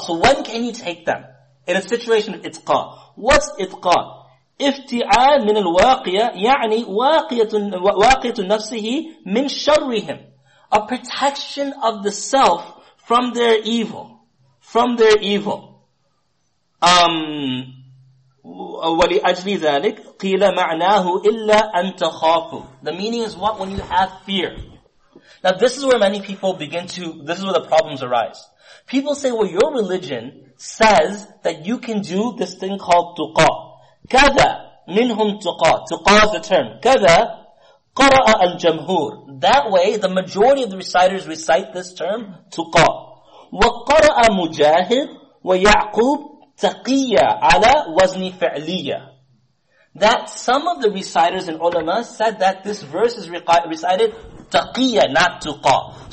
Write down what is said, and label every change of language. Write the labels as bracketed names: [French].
[English] So when can you take them? In a situation of [Arabic] إِتْقَى. [English] What's [Arabic] إِتْقَى? إِفْتِعَالٌ مِنَ الْوَاقِيَةِ يَعْنِي وَاقِيَةُ نَفْسِهِ مِنْ شَرِّهِمْ [English] a protection of the self from their evil. From their evil. [Arabic] وَلِأَجْلِ ذَلِكَ قِيلَ مَعْنَاهُ إِلَّا أَن تَخَافُ [English] the meaning is what? When you have fear. Now this is where many people begin to, this is where the problems arise. People say, well, your religion says that you can do this thing called [Arabic] تُقَى. كَذَا مِنْهُمْ تُقَى تُقَى [English] is the term. [Arabic] كَذَا قَرَأَ الْجَمْهُورِ [English] that way, the majority of the reciters recite this term, [Arabic] تُقَى. وَقَرَأَ مُجَاهِدٍ وَيَعْقُوبٍ taqiyya ala wazni fa'liya. [English] That some of the reciters and ulama said that this verse is recited taqiyya, not tuqa.